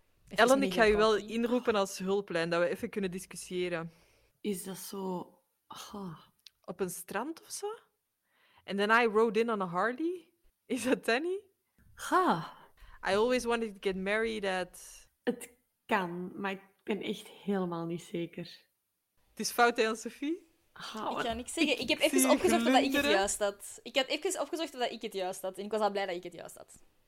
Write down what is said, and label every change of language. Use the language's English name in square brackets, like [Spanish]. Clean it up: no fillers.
[Dutch] Even Ellen, ik ga je wel inroepen als hulplijn, dat we even kunnen discussiëren. Is dat zo... Oh. Op een strand of zo? [English] And then I rode in on a Harley? [Dutch] Is dat Danny? Ha. [English] I always wanted to get married at... [Dutch] Het kan, maar ik ben echt helemaal niet zeker. Het is fout, aan Sophie? Ik kan niks zeggen. Ik heb even opgezocht dat ik het juist had. Ik heb even opgezocht dat ik het juist had. En ik was al blij dat ik het juist had.